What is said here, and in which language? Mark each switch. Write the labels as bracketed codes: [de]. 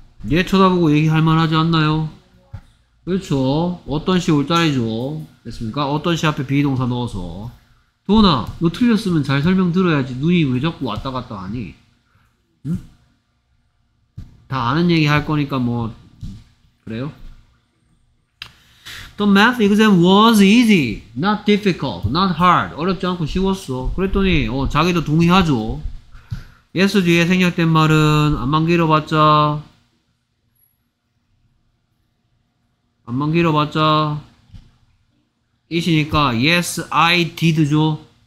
[ko] 얘 쳐다보고 얘기할 만하지 않나요? 그렇죠. 어떤 시 울따리죠. 됐습니까? 어떤 시 앞에 비동사 넣어서. 도훈아, 너 틀렸으면 잘 설명 들어야지. 눈이 왜 자꾸 왔다 갔다 하니? 응? 다 아는 얘기 할 거니까 뭐, 그래요? [en] The math exam was easy, not difficult, not hard. [ko] 어렵지 않고 쉬웠어. 그랬더니 자기도 동의하죠. Yes 뒤에 생략된 말은 안만 길어봤자 it이니까 yes I did죠.